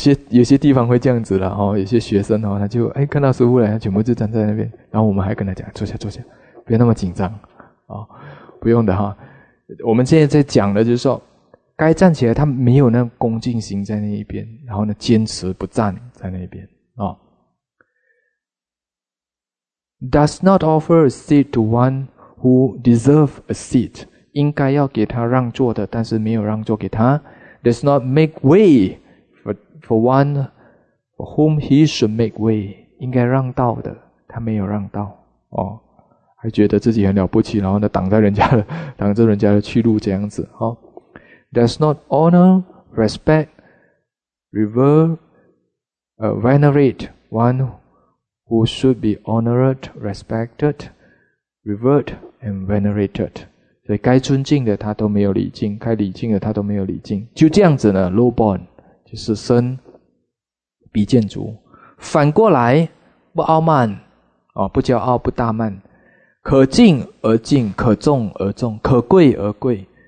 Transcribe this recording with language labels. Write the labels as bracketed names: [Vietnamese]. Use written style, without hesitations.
[Chinese] 有些地方会这样子啦，齁，有些学生齁，他就看到师傅来，他全部就站在那边，然后我们还跟他讲，坐下坐下，不要那么紧张，齁，不用的齁。我们现在在讲的就是说，该站起来他没有那恭敬心在那一边，然后呢坚持不站在那边，齁。 [English] Does not offer a seat to one who deserves a seat. [Chinese] 应该要给他让座的，但是没有让座给他。 [English] Does not make way for one for whom he should make way. [Chinese] 应该让道的，他没有让道。哦，还觉得自己很了不起，然后呢挡着人家的去路这样子。哦。 [English] Does not honor, respect, venerate one who should be honored, respected, revered, and venerated. [Chinese] 所以该尊敬的他都没有礼敬，该礼敬的他都没有礼敬。就这样子呢 [English] low born, [Chinese] 就是生比见足。反过来不傲慢，哦，不骄傲不大慢。可敬而敬，可重而重，可贵而贵。